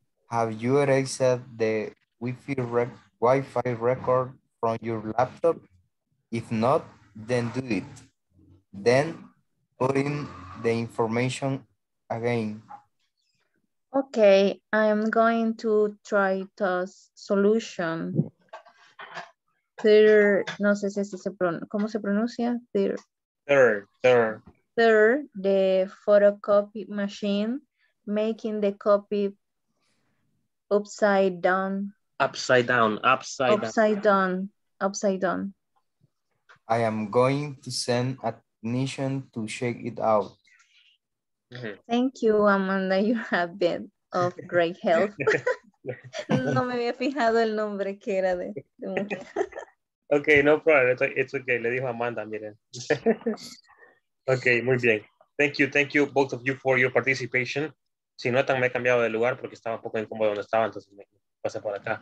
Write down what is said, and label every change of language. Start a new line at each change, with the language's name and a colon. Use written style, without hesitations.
English: Have you erased the Wi-Fi record from your laptop? If not, then do it. Then put in the information again. Okay, I am going to try the solution.
Spanish: Third, no sé si se pronuncia, ¿cómo se pronuncia?
English: Third, the photocopy machine, making the copy upside down. Upside down. I am going to send a technician to check it out. Thank you, Amanda. You have been of great help.
Spanish: No me había fijado el nombre que era de.
English: Okay, no problem. It's okay.
Spanish: Le dijo Amanda, miren.
English: Okay,
Spanish: muy bien.
English: Thank you both of you for your participation.
Spanish: Si notan, me he cambiado de lugar porque estaba un poco incómodo donde estaba, entonces me pasé por acá.